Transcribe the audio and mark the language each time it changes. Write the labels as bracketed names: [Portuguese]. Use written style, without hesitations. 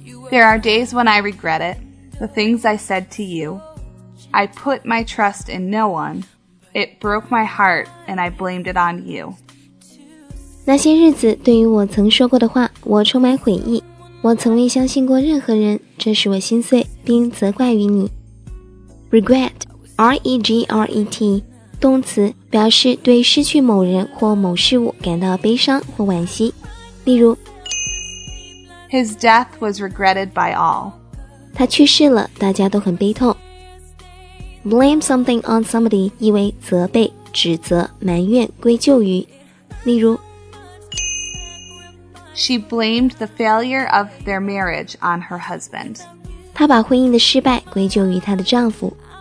[English] There are days when I regret it, the things I said to you. I put my trust in no one. It broke my heart, and I blamed it on you. [Chinese] 那些日子对于我曾说过的话，我充满悔意。我曾未相信过任何人，这使我心碎并责怪于你。 Regret, R-E-G-R-E-T, 动词，表示对失去某人或某事物感到悲伤或惋惜。例如 [English] His death was regretted by all. [Chinese] 他去世了，大家都很悲痛。 [English] Blame something on somebody, [Chinese] 意为责备、指责、埋怨、归咎于。例如 [English] She blamed the failure of their marriage on her husband. [Chinese] 她把婚姻的失败归咎于她的丈夫。